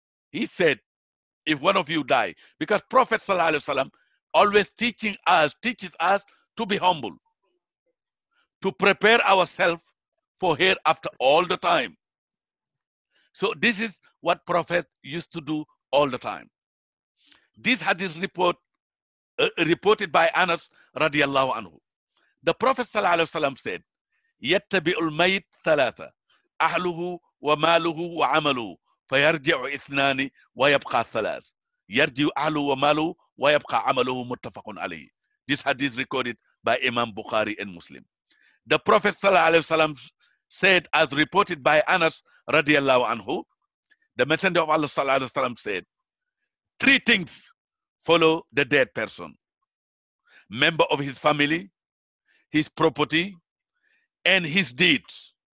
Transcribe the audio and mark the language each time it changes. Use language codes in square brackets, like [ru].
[en] He said, if one of you die, because Prophet sallallahu alaihi wasallam always teaches us to be humble, to prepare ourselves for hereafter all the time. So this is what Prophet used to do all the time. This hadith report reported by Anas radiallahu anhu. The Prophet sallallahu alaihi wasallam said, [ar] يَتَّبِعُ الْمَيْتِ ثَلَاثَ أَهْلُهُ وَمَالُهُ وَعَمَلُهُ فَيَرْجِعُ إِثْنَانِ وَيَبْقَى ثَلَاثَ يَرْجِعُ أَهْلُهُ وَمَالُهُ وَيَبْقَى عَمَلُهُ مُتَّفَقٌ عَلَيْهِ. [en] This hadith recorded by Imam Bukhari and Muslim. The Prophet sallallahu alaihi wasallam said, as reported by Anas radiallahu anhu, the Messenger of Allah sallallahu alaihi wasallam said, three things follow the dead person: member of his family, his property, and his deeds.